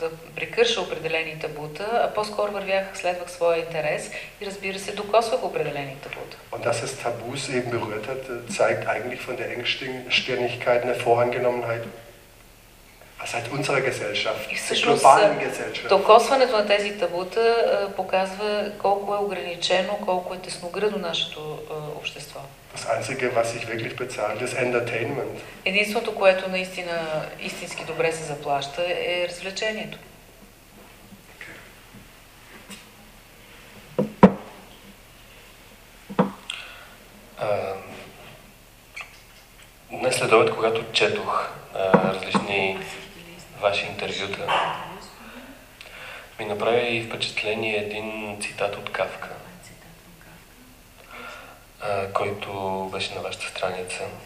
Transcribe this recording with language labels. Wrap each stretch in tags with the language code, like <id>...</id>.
<bg>да прекърша определени табута, а по-скоро вървях, следвах своя интерес и, разбира се, докосвах определени табута.</bg> <de>Und dass es Tabus eben berührt hat, zeigt eigentlich von der Engstirnigkeit, eine Voreingenommenheit, was halt unserer Gesellschaft, globalen Gesellschaft.</de> <bg>Докосването на тези табута показва колко е ограничено, колко е тесногръдно нашето общество.</bg> <de>Das einzige, was ich wirklich bezahle, ist Entertainment.</de> <bg>Единственото, което наистина истински добре се заплаща, е развлечението. Днес след обед, когато четох различни ваши интервюта, ми направи впечатление един цитат от Кафка, който беше на вашата страница.</bg>